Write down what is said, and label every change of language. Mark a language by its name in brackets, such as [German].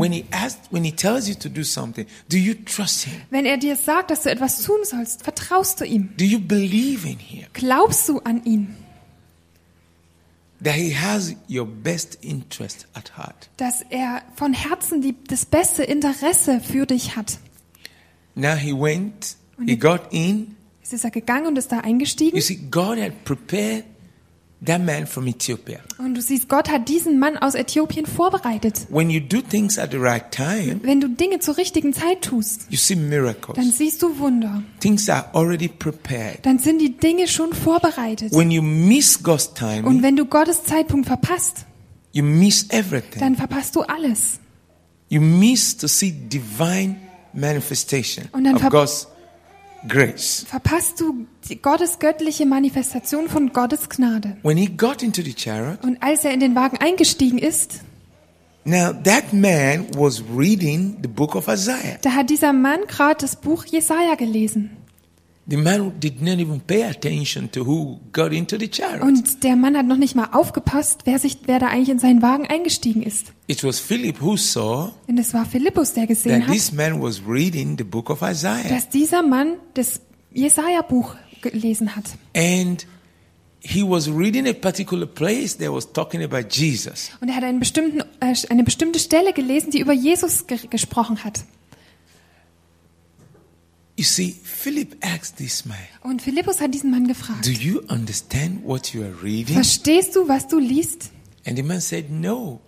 [English] When he asks, when he tells you to do something, do you trust him? [German] Wenn er dir sagt, dass du etwas tun sollst, vertraust du ihm? [English] Do you believe in him? [German] Glaubst du an ihn? [English] That he has your best interest at heart. [German] Dass er von Herzen das beste Interesse für dich hat. [English] Now he went. He got in. [German] Es ist er gegangen und ist da eingestiegen. [English] You see, God had prepared. That man from Ethiopia. [German] Und du siehst, Gott hat diesen Mann aus Äthiopien vorbereitet. [English] When you do things at the right time, [German] wenn du Dinge zur richtigen Zeit tust, [English] you see miracles. [German] Dann siehst du Wunder. [English] Things are already prepared. [German] Dann sind die Dinge schon vorbereitet. [English] When you miss God's timing, [German] und wenn du Gottes Zeitpunkt verpasst, [English] you miss everything. [German] Dann verpasst du alles. [English] You miss to see divine manifestation of God's grace. [German] Verpasst du die Gottes göttliche Manifestation von Gottes Gnade. [English] When he got into the chariot, [German] und als er in den Wagen eingestiegen ist, [English] now that man was reading the book of Isaiah. [German] Da hat dieser Mann gerade das Buch Jesaja gelesen. [English] The man did not even pay attention to who got into the chariot. [German] Und der Mann hat noch nicht mal aufgepasst, wer da eigentlich in seinen Wagen eingestiegen ist. [English] It was Philip who saw. [German] Und es war Philippus, der gesehen hat. [English] That this man was reading the book of Isaiah. [German] Dass dieser Mann das Jesaja-Buch gelesen hat. [English] And he was reading a particular place that was talking about Jesus. [German] Und er hat eine bestimmte Stelle gelesen, die über Jesus gesprochen hat. [English] You see, Philip asked this man. [German] Und Philippus hat diesen Mann gefragt. [English] Do you understand what you are reading? [German] Verstehst du, was du liest? [English] And the man said no.